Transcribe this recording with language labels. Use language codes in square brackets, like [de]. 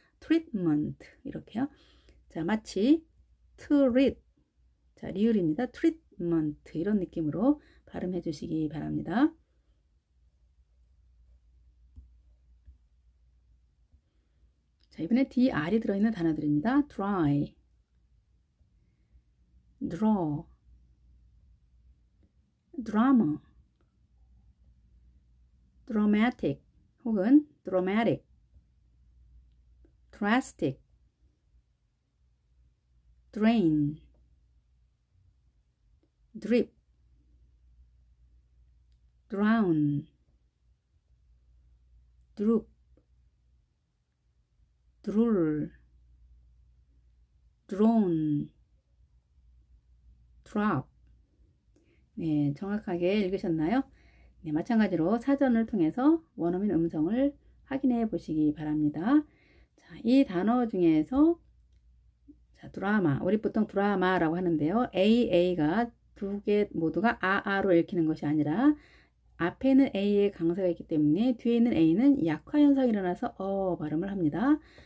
[ko] 트리트먼트 이렇게요. 자, 마치 트릿. 자, 리을입니다. 트리트먼트 이런 느낌으로 발음해 주시기 바랍니다. 자, 이번에 DR이 들어있는 단어들입니다. [en] dry. draw, drama, dramatic 혹은 dramatic, drastic, drain, drip, drown, droop, drool, drone. drop. [ko] 네, 정확하게 읽으셨나요? 네, 마찬가지로 사전을 통해서 원어민 음성을 확인해 보시기 바랍니다. 자, 이 단어 중에서 자, 드라마. 우리 보통 드라마라고 하는데요. AA가 두개 모두가 AA로 읽히는 것이 아니라 앞에는 A의 강세가 있기 때문에 뒤에 있는 A는 약화 현상이 일어나서 발음을 합니다.